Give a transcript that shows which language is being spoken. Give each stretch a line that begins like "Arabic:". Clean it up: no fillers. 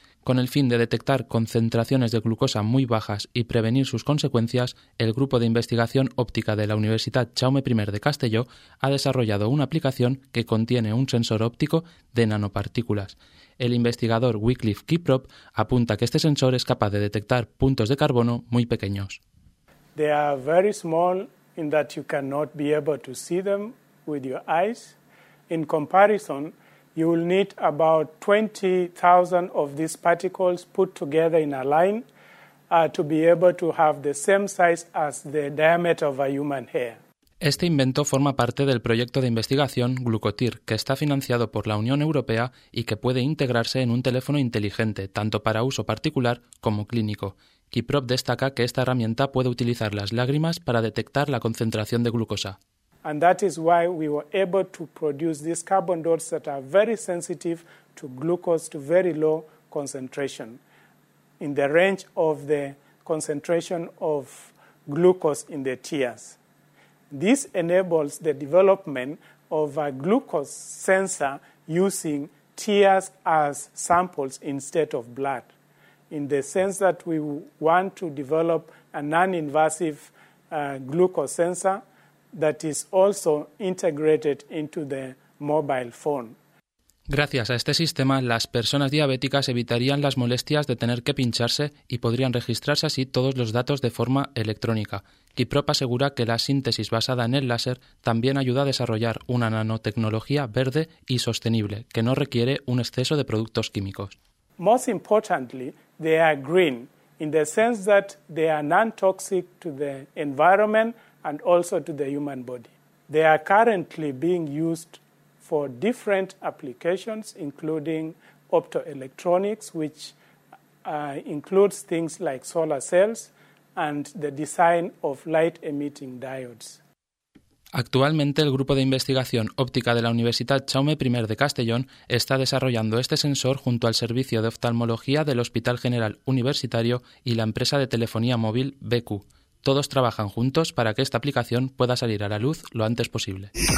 Spanish: Con el fin de detectar concentraciones de glucosa muy bajas y prevenir sus consecuencias, el Grupo de Investigación Óptica de la Universidad Jaume I de Castelló ha desarrollado una aplicación que contiene un sensor óptico de nanopartículas. El investigador Wycliffe Kiprop apunta que este sensor es capaz de detectar puntos de carbono muy pequeños.
English: They are very small. In that you cannot be able to see them with your eyes. In comparison, you will need about 20,000 of these particles put together in a line to be able to have the same size as the diameter of a human hair.
Spanish: Este invento forma parte del proyecto de investigación Glucotir, que está financiado por la Unión Europea y que puede integrarse en un teléfono inteligente, tanto para uso particular como clínico. Kiprop destaca que esta herramienta puede utilizar las lágrimas para detectar la concentración de glucosa.
English: And that is why we were able to produce these carbon dots that are very sensitive to glucose to very low concentration, in the range of the concentration of glucose in the tears. This enables the development of a glucose sensor using tears as samples instead of blood. In the sense that we want to develop a non-invasive glucose sensor that is also integrated into the mobile phone.
Spanish: Gracias a este sistema, las personas diabéticas evitarían las molestias de tener que pincharse y podrían registrarse así todos los datos de forma electrónica. Kiprop asegura que la síntesis basada en el láser también ayuda a desarrollar una nanotecnología verde y sostenible, que no requiere un exceso de productos químicos.
English: Most importantly, they are green in the sense that they are non-toxic to the environment and also to the human body. They are currently being used for different applications, including optoelectronics, which includes things like solar cells and the design of light-emitting diodes.
Spanish: Actualmente, el Grupo de Investigación Óptica de la Universidad Jaume I de Castellón está desarrollando este sensor junto al Servicio de Oftalmología del Hospital General Universitario y la empresa de telefonía móvil BQ. Todos trabajan juntos para que esta aplicación pueda salir a la luz lo antes posible.